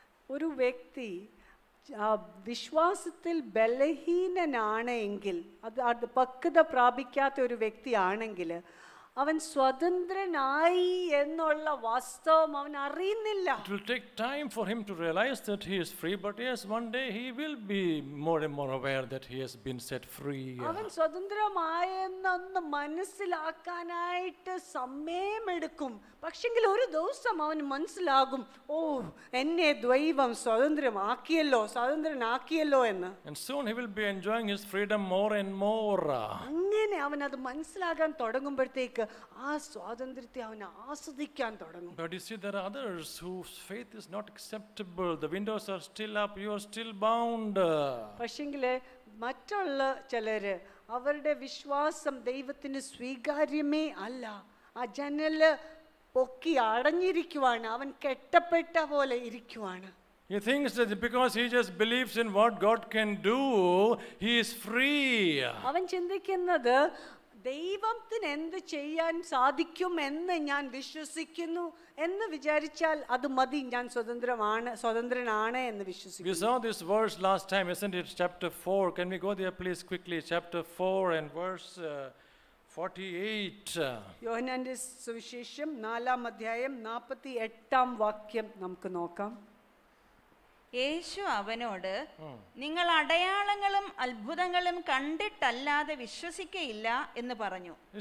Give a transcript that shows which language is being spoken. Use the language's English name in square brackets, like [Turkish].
[Malayalam] ഒരു വ്യക്തി വിശ്വാസത്തിൽ ബലഹീനനാണെങ്കിൽ, അത് പക്വത പ്രാപിക്കാത്ത ഒരു വ്യക്തിയാണെങ്കിൽ അവൻ സ്വതന്ത്രനായി എന്നുള്ള വാസ്തവം അവൻ അറിയുന്നില്ല. [English] It will take time for him to realize that he is free, but yes, one day he will be more and more aware that he has been set free. [Malayalam] അവൻ സ്വതന്ത്രമായെന്നൊന്ന് മനസ്സിലാക്കാനായിട്ട് സമയമെടുക്കും. പക്ഷെങ്കിൽ ഒരു ദിവസം അവന് മനസ്സിലാകും, ഓ, എന്നെ ദൈവം സ്വതന്ത്രമാക്കിയല്ലോ, സ്വതന്ത്രനാക്കിയല്ലോ എന്ന്. [English] And soon he will be enjoying his freedom more and more. [Malayalam] അങ്ങനെ അവൻ അത് മനസ്സിലാക്കാൻ തുടങ്ങുമ്പോഴത്തേക്ക് ആ സ്വാതന്ത്ര്യത്തെ അവൻ ആസ്വദിക്കാൻ തുടങ്ങും. [English] But you see, there are others whose faith is not acceptable. The windows are still up, you are still bound. [Malayalam] പക്ഷേങ്കിലെ മറ്റുള്ള ചിലര് അവരുടെ വിശ്വാസം ദൈവത്തിന് സ്വീകാര്യമേ അല്ല, ആ ജനല് പൊക്കി അടഞ്ഞിരിക്കുവാണ്, അവൻ കെട്ടപ്പെട്ട പോലെ ഇരിക്കുവാണ്. [English] He thinks that because he just believes in what God can do, he is free. [Malayalam] അവൻ ചിന്തിക്കുന്നത് ദൈവത്തിന് എന്ത് ചെയ്യാൻ സാധിക്കും എന്ന് ഞാൻ വിശ്വസിക്കുന്നു എന്ന് വിചാരിച്ചാൽ അത് മതി, ഞാൻ സ്വതന്ത്രനാണ് എന്ന് വിശ്വസിക്കുന്നു. [English] We saw this verse last time, isn't it? Chapter 4. Can we go there please quickly? Chapter 4 and verse 48. [Malayalam] യോഹന്നാന്റെ സുവിശേഷം 4 അധ്യായം 48 വാക്യം നമുക്ക് നോക്കാം. യേശു അവനോട്, നിങ്ങൾ അടയാളങ്ങളും അത്ഭുതങ്ങളും കണ്ടിട്ടല്ലാതെ വിശ്വസിക്കയില്ല എന്ന് പറഞ്ഞു.